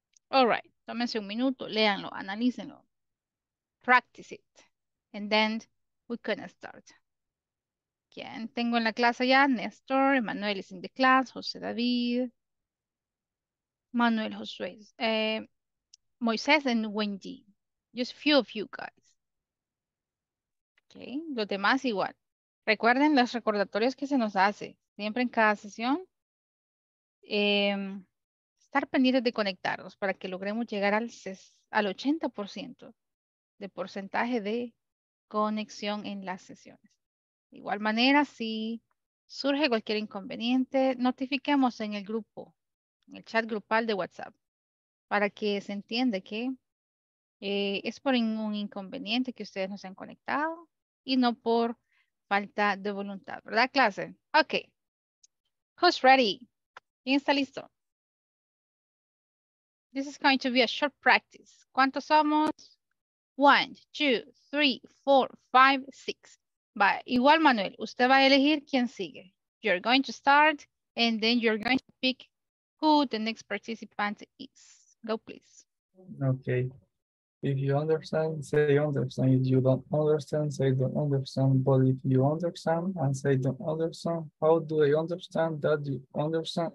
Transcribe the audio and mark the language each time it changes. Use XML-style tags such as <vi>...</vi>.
<en>All right,</en> <es>tómense un minuto, léanlo, analícenlo,</es> <en>practice it, and then we can start.</en> <es>¿Quién tengo en la clase ya? Néstor, Emmanuel</es> <en>is in the class,</en> <es>José David, Manuel, Josué, Moisés, and Wendy.</es> <en>Just a few of you guys. Okay.</en> <es>Los demás igual. Recuerden los recordatorios que se nos hace siempre en cada sesión. Estar pendientes de conectarnos para que logremos llegar al 80% de porcentaje de conexión en las sesiones. De igual manera, si surge cualquier inconveniente, notifiquemos en el grupo, en el chat grupal de WhatsApp, para que se entienda que es por un inconveniente que ustedes no se han conectado. Y no por falta de voluntad, ¿verdad, clase?</es> <en>Okay. Who's ready?</en> <es>¿Quién está listo?</es> <en>This is going to be a short practice.</en> <es>¿Cuántos somos? 1, 2, 3, 4, 5, 6. Va, igual Manuel, usted va a elegir quién sigue.</es> <en>You're going to start and then you're going to pick who the next participant is. Go, please. Okay. If you understand, say understand. If you don't understand, say don't understand. But if you understand and say don't understand, how do I understand that you understand?</en>